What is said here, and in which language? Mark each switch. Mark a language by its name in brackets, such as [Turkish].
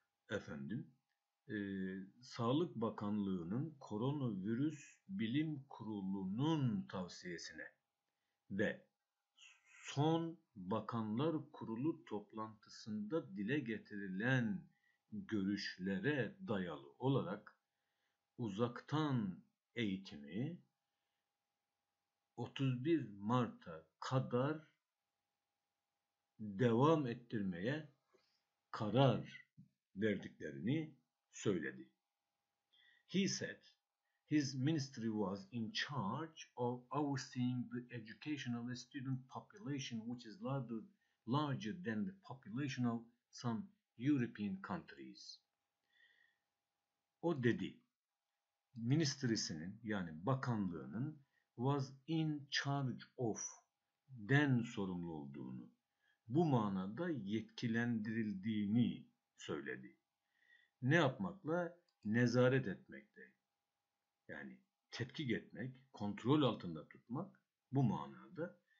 [Turkish] efendim, Sağlık Bakanlığı'nın Koronavirüs Bilim Kurulu'nun tavsiyesine ve son Bakanlar Kurulu toplantısında dile getirilen görüşlere dayalı olarak uzaktan eğitimi 31 Mart'a kadar devam ettirmeye karar verdiklerini söyledi. [English] He said his ministry was in charge of overseeing the education of a student population which is larger than the population of some European countries. [Turkish] O dedi, ministrisinin yani bakanlığının [English] was in charge of [Turkish] den sorumlu olduğunu, bu manada yetkilendirildiğini söyledi. Ne yapmakla? Nezaret etmekte. Yani tetkik etmek, kontrol altında tutmak bu manada.